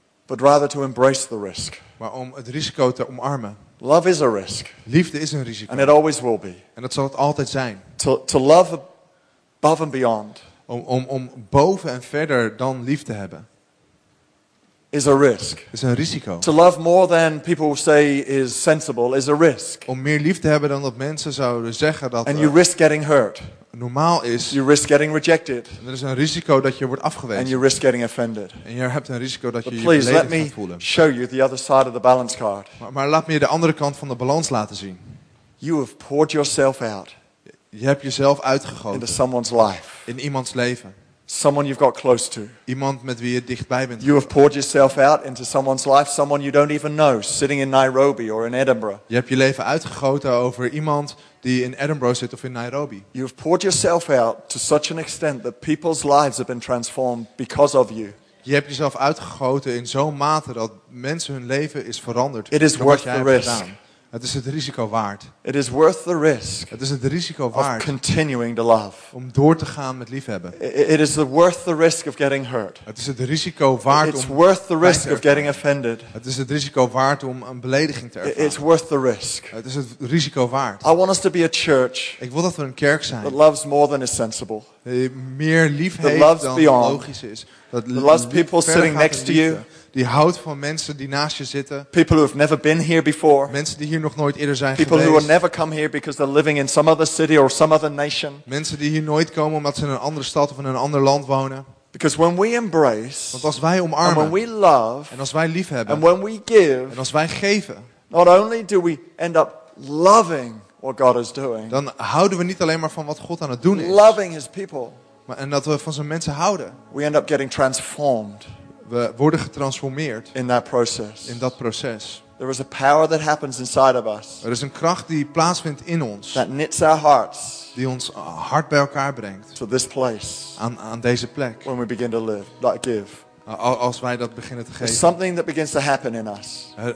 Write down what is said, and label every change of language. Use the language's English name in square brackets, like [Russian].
[English] But rather to embrace the risk. [Dutch] Maar om het risico te omarmen. [English] Love is a risk. [Dutch] Liefde is een risico. [English] And it always will be. [Dutch] En dat zal het altijd zijn. [English] To love above and beyond. [Dutch] Om boven en verder dan liefde te hebben. [English] Is a risk. [Dutch] Is een risico. [English] To love more than people say is sensible is a risk. [Dutch] Om meer liefde te hebben dan dat mensen zouden zeggen dat. [English] And you risk getting hurt. [Dutch] Normaal is. [English] You risk getting rejected. [Dutch] En er is een risico dat je wordt afgewezen. [English] And you risk getting offended. [Dutch] En je hebt een risico dat [English] But [Dutch] je [English] please, [Dutch] je beledigd [English] let me [Dutch] gaat voelen. [English] Show you the other side of the balance card. [Dutch] Maar laat me je de andere kant van de balans laten zien. [English] You have poured yourself out. [Dutch] Je hebt jezelf uitgegoten. [English] Into someone's life. [Dutch] In iemands leven. [English] Someone you've got close to. [Dutch] Iemand met wie je dichtbij bent. [English] You have poured yourself out into someone's life, someone you don't even know, sitting in Nairobi or in Edinburgh. [Dutch] Je hebt je leven uitgegoten over iemand die in Edinburgh zit of in Nairobi. [English] You have poured yourself out to such an extent that people's lives have been transformed because of you. [Dutch] Je hebt jezelf uitgegoten in zo'n mate dat mensen hun leven is veranderd. [English] It is worth the risk. [Dutch] Het is het risico waard. [English] It is worth the risk. [Dutch] Het is het risico waard. [English] Of continuing to love. [Dutch] Om door te gaan met liefhebben. [English] It is worth the risk of getting hurt. [Dutch] Het is het risico waard om. [English] It's worth the risk of getting offended. [Dutch] Het is het risico waard om een belediging te ervaren. [English] It's worth the risk. [Dutch] Het is het risico waard. [English] I want us to be a church. [Dutch] Ik wil dat we een kerk zijn. [English] That loves more than is sensible. [Dutch] Die meer lief heeft dan [English] beyond. [Dutch] Logisch is. [English] That loves people sitting next to you. [Dutch] Die houdt van mensen die naast je zitten. [English] People who have never been here before. [Dutch] Mensen die hier nog nooit eerder zijn [English] People [Dutch] geweest. [English] People who have never come here because they're living in some other city or some other nation. [Dutch] Mensen die hier nooit komen omdat ze in een andere stad of in een ander land wonen. [English] Because when we embrace, [Dutch] want als wij omarmen, [English] and when we love, [Dutch] en als wij liefhebben, [English] and when we give, [Dutch] en als wij geven, [English] not only do we end up loving what God is doing, [Dutch] dan houden we niet alleen maar van wat God aan het doen is. [English] Loving His people, [Dutch] maar en dat we van zijn mensen houden. [English] We end up getting transformed. [Dutch] We worden getransformeerd [English] in that process. [Dutch] In dat proces. [English] There is a power that happens inside of us. [Dutch] Er is een kracht die plaatsvindt in ons. [English] That knits our hearts. [Dutch] Die ons hart bij elkaar brengt. [English] To this place. [Dutch] Aan deze plek. [English] When we begin to live, like give. [Dutch] Als wij dat beginnen te geven. [English] There's something that begins to happen in us.